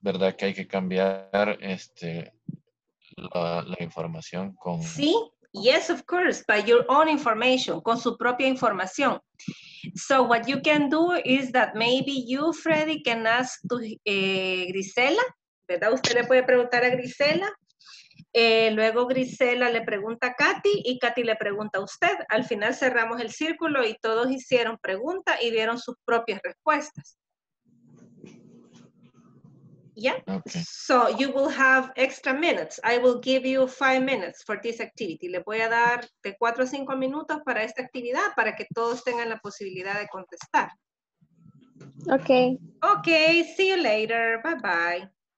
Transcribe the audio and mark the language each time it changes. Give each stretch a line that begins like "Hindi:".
Spanish: ¿Verdad que hay que cambiar la información con...?
English: Sí, yes, of course, by your own information,
Spanish: con su propia información.
English: So what you can do is that maybe you, Freddy, can ask to Grisela, ¿verdad?
Spanish: Usted le puede preguntar a Grisela. Luego Grisela le pregunta a Katy y Katy le pregunta a usted. Al final cerramos el círculo y todos hicieron preguntas y dieron sus propias respuestas.
English: Yeah? Okay. So you will have extra minutes. I will give you 5 minutes for this activity.
Spanish: Le voy a dar de 4 a 5 minutos para esta actividad para que todos tengan la posibilidad de contestar.
English: Okay. Okay, see you later. Bye bye.